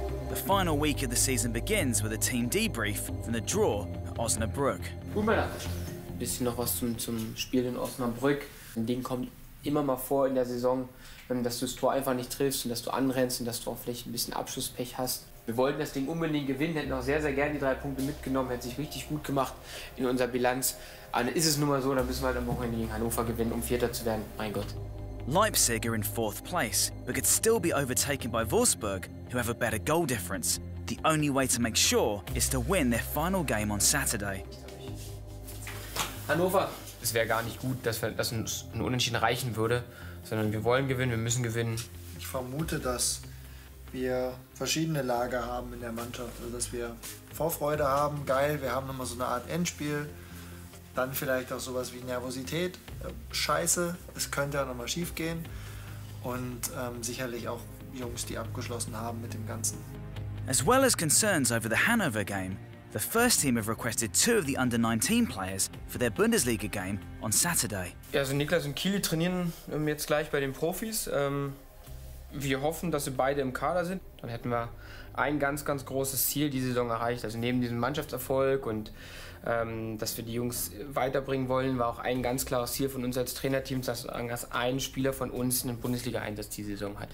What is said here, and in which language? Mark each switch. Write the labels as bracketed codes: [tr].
[en] The final week of the season begins with a team debrief from the draw at Osnabrück. [de] Ein bisschen noch was zum Spiel in Osnabrück. Ein Ding kommt immer mal vor in der Saison, dass du das Tor einfach nicht triffst und dass du anrennst und dass du auch vielleicht ein bisschen Abschlusspech hast. Wir wollten das Ding unbedingt gewinnen, hätten auch sehr, sehr gerne die drei Punkte mitgenommen, hätte sich richtig gut gemacht in unserer Bilanz. Aber ist es nun mal so, dann müssen wir halt am Wochenende gegen Hannover gewinnen, Vierter zu werden. Mein Gott. [en] Leipzig are in fourth place, but could still be overtaken by Wolfsburg, who have a better goal difference. The only way to make sure is to win their final game on Saturday. [de] Hannover. Es wäre gar nicht gut, dass uns ein Unentschieden reichen würde, sondern wir wollen gewinnen, wir müssen gewinnen. Ich vermute, dass wir verschiedene Lager haben in der Mannschaft, also dass wir Vorfreude haben, geil, wir haben immer so eine Art Endspiel. Dann vielleicht auch sowas wie Nervosität, Scheiße, es könnte ja nochmal schief gehen. Und sicherlich auch Jungs, die abgeschlossen haben mit dem Ganzen. [en] As well as concerns over the Hannover game, the first team have requested two of the under-19 players for their Bundesliga game on Saturday. [de] Ja, also Niklas und Kili trainieren jetzt gleich bei den Profis. Wir hoffen, dass sie beide im Kader sind. Dann hätten wir ein ganz, ganz großes Ziel diese Saison erreicht. Also neben diesem Mannschaftserfolg und dass wir die Jungs weiterbringen wollen, war auch ein ganz klares Ziel von uns als Trainerteam, dass ein Spieler von uns einen Bundesliga-Einsatz diese Saison hat.